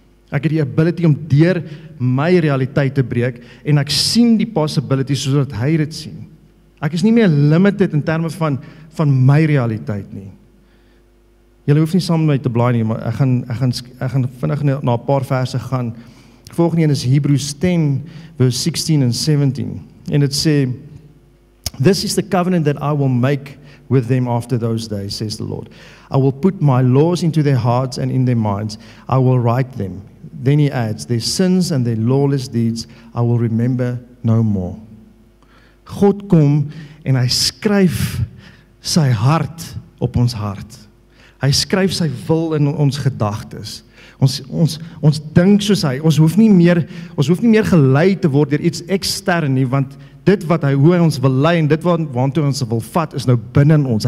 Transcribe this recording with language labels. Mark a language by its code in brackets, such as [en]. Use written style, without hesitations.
[af] Ek het die ability om deur my realiteit te breek en ek sien die possibility sodat hy dit sien. Ek is nie meer limited in terme van my realiteit nie. Julle hoef nie saam met my te blaai nie, maar ek gaan vinnig na 'n paar verse gaan. Die volgende een is Hebreërs 10 vers 16 en 17. En dit sê, [en] this is the covenant that I will make with them after those days, says the Lord. I will put my laws into their hearts and in their minds. I will write them. Then he adds, their sins and their lawless deeds I will remember no more. [af] God kom en hy skryf sy hart op ons hart. Hy skryf sy wil in ons gedagtes. Ons dink soos hy. Ons hoef nie meer gelei te word deur iets ekstern nie, want dit wat hy hoe hy ons wil lei en dit wat waartoe ons wil vat is nou binne in ons.